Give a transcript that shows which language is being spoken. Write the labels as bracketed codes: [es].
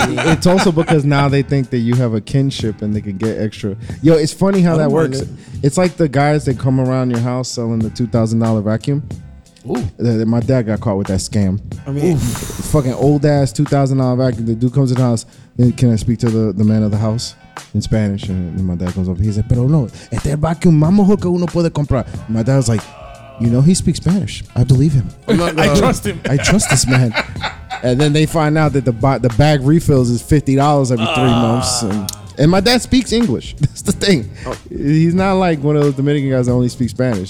[en] It's also because now they think that you have a kinship and they can get extra. Yo, it's funny how that works. It's like the guys that come around your house selling the $2,000 vacuum. Ooh. My dad got caught with that scam. I mean, fucking old ass $2,000 vacuum. The dude comes in the house, and can I speak to the man of the house in Spanish? And my dad comes up. [es] He's like, pero no, este vacuum más mejor que uno puede comprar. [en] My dad's like, you know, he speaks Spanish. I believe him. I trust him. I trust this man. And then they find out that the bag refills is $50 every 3 months. And my dad speaks English. That's the thing. Oh. He's not like one of those Dominican guys that only speaks Spanish.